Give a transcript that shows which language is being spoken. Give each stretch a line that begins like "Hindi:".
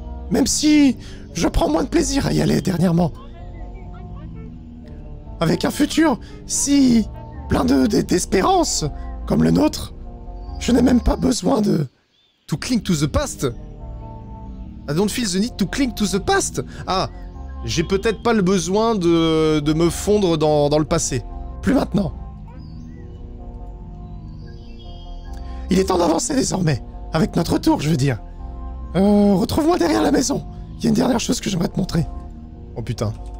French: Même si je prends moins de plaisir à y aller dernièrement. Avec un futur si plein d'espérance comme le nôtre, je n'ai même pas besoin de...
English: To cling to the past? I don't feel the need to cling to the past?
French: Ah, j'ai peut-être pas le besoin de me fondre dans le passé. Plus maintenant. Il est temps d'avancer désormais. Avec notre tour, je veux dire. Retrouve-moi derrière la maison. Il y a une dernière chose que j'aimerais te montrer. Oh putain.